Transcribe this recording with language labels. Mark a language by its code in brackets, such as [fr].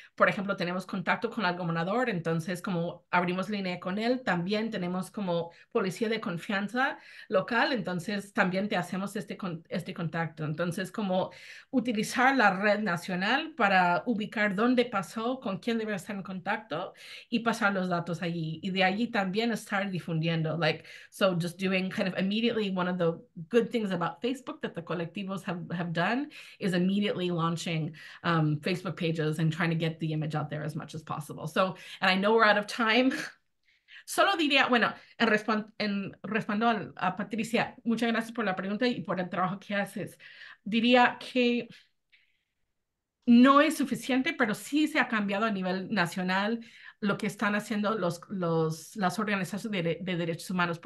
[es] Por ejemplo, tenemos contacto con el gobernador, entonces como abrimos línea con él, también tenemos como policía de confianza local, entonces también te hacemos este contacto. Entonces, como utilizar la red nacional para ubicar dónde pasó, con quién debe estar en contacto y pasar los datos allí. Y de allí también estar difundiendo. [en] Like, so just doing kind of immediately, one of the good things about Facebook that the colectivos have done is immediately launching Facebook pages and trying to get the image out there as much as possible. So, and I know we're out of time. [es] Solo diría, bueno, respondo a Patricia, muchas gracias por la pregunta y por el trabajo que haces. Diría que no es suficiente, pero sí se ha cambiado a nivel nacional lo que están haciendo las organizaciones de derechos humanos.